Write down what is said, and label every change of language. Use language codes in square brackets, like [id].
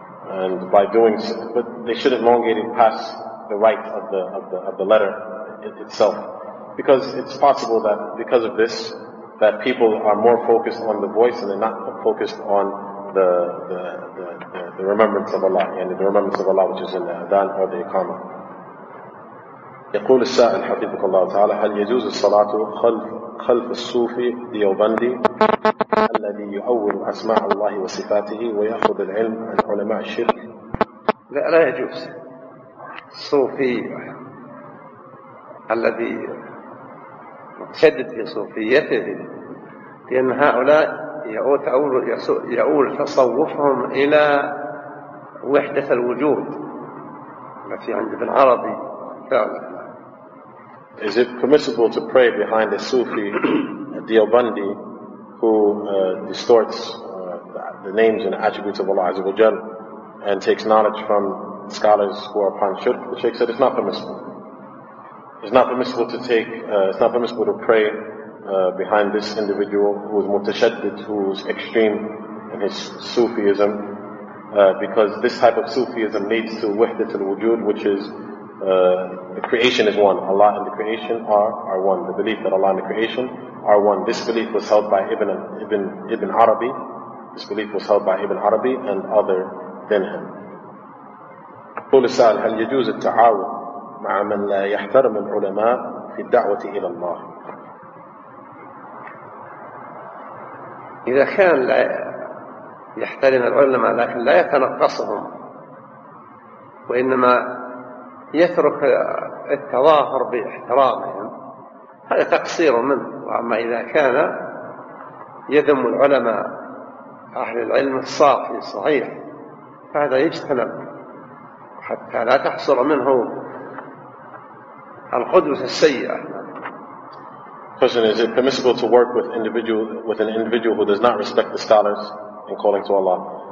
[en] And by doing so, but they shouldn't elongate it past the right of the letter itself, because it's possible that because of this, that people are more focused on the voice and they're not focused on the remembrance of Allah, and the remembrance of Allah which is in the adhan or the iqama. [ar] يقول السائل حفظك الله تعالى هل يجوز الصلاة خلف الصوفي ديوبندي الذي يؤول أسماء الله وصفاته ويأخذ العلم عن علماء الشرك؟ لا يجوز. الصوفي الذي متشدد في صوفيته، لأن هؤلاء يؤول تصوفهم إلى وحدة الوجود التي عند ابن عربي فعلا. [en] Is it permissible to pray behind a Sufi, a Diobandi, who distorts the names and attributes of Allah Azza wa Jal and takes knowledge from scholars who are upon shirk? The Shaykh said it's not permissible. It's not permissible to pray behind this individual who is mutashaddid, who is extreme in his Sufism, because this type of Sufism leads to wahdat al-wujud, which is the creation is one. Allah and the creation are one. The belief that Allah and the creation are one. This belief was held by Ibn Arabi. This belief was held by Ibn Arabi and other than him. [ar] قول السائل هل يجوز التعاون مع من لا يحترم العلماء في الدعوة إلى الله؟ إذا كان لا يحترم العلماء لكن لا يتنقصهم وإنما يترك التظاهر باحترامهم هذا تقصير منه. وأما إذا كان يذم العلماء أهل العلم الصافي الصحيح فهذا يجتنب حتى لا تحصل منه القدوة السيئة. [en] Question: is it permissible to work with an individual who does not respect the scholars in calling to Allah?